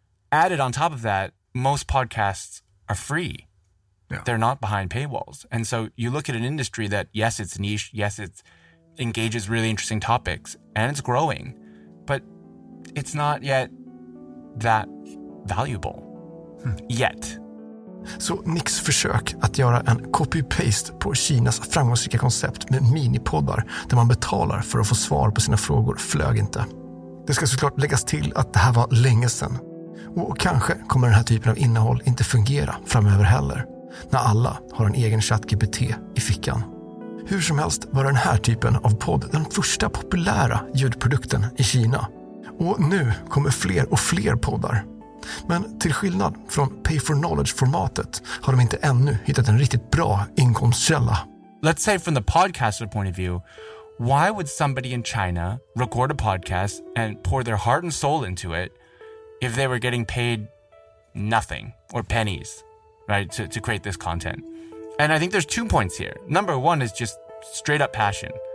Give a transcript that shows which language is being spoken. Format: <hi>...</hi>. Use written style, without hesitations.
<en>Added on top of that, most podcasts are free. Yeah. They're not behind paywalls. And so you look at an industry that, yes, it's niche, yes, it engages really interesting topics, and it's growing, but it's not yet that valuable. Yet.</en> <sv>Så Nicks försök att göra en copy-paste på Kinas framgångsrika koncept med minipoddar där man betalar för att få svar på sina frågor flög inte. Det ska såklart läggas till att det här var länge sedan. Och kanske kommer den här typen av innehåll inte fungera framöver heller, när alla har en egen ChatGPT i fickan. Hur som helst var den här typen av podd den första populära ljudprodukten i Kina. Och nu kommer fler och fler poddar. Men till skillnad från pay for knowledge-formatet har de inte ännu hittat en riktigt bra inkomstkälla.</sv> <en>Let's say from the podcaster point of view, why would somebody in China record a podcast and pour their heart and soul into it if they were getting paid nothing or pennies, right, to create this content? And I think there's two points here. Number one is just straight up passion.</en>